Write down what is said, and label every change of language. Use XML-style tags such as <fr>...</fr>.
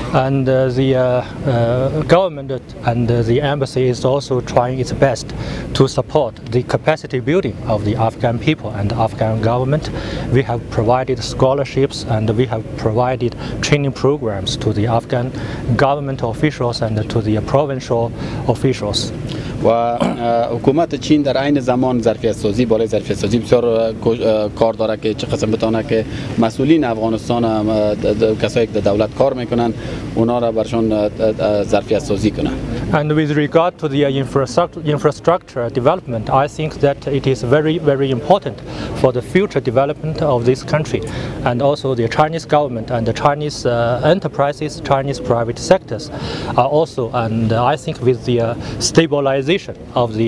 <en>And the government and the embassy is also trying its best to support the capacity building of the Afghan people and the Afghan government. We have provided scholarships and we have provided training programs to the Afghan government officials and to the provincial officials.</en> <fa>و حکومت چین در عین زمان ظرفیت سازی بالای ظرفیت سازی بسیار کار داره که چه قسم بتانه که مسئولین افغانستان هم کسایی که در دولت کار میکنن اونا را برشان ظرفیت سازی کنن.</fa> <en>And with regard to the infrastructure development, I think that it is very, very important for the future development of this country, and also the Chinese government and the Chinese enterprises, Chinese private sectors are also, and I think with the stabilization of</en>